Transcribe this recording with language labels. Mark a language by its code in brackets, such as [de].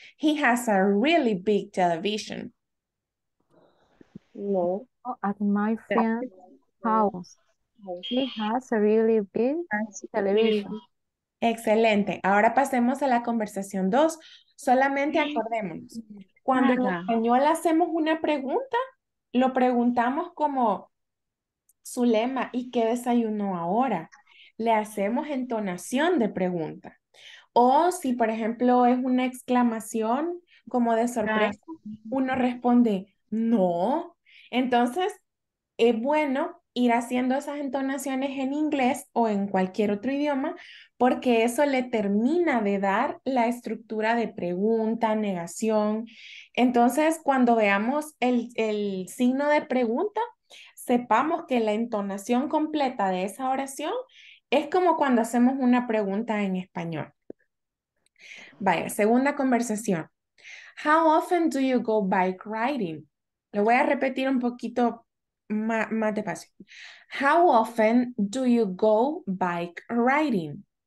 [en] He has a really big television. No, at my friend's house. He has a really big television. [es] Excelente. Ahora pasemos a la conversación 2. Solamente acordémonos. Cuando en español hacemos una pregunta, lo preguntamos como su lema, ¿y qué desayunó ahora? Le hacemos entonación de pregunta. O si, por ejemplo, es una exclamación como de sorpresa, uno responde, no. Entonces, es bueno ir haciendo esas entonaciones en inglés o en cualquier otro idioma, porque eso le termina de dar la estructura de pregunta, negación. Entonces, cuando veamos el signo de pregunta, sepamos que la entonación completa de esa oración es como cuando hacemos una pregunta en español. Vaya, segunda conversación. [en] How often do you go bike riding? [es] Lo voy a repetir un poquito más despacio. [en] How often do you go bike riding?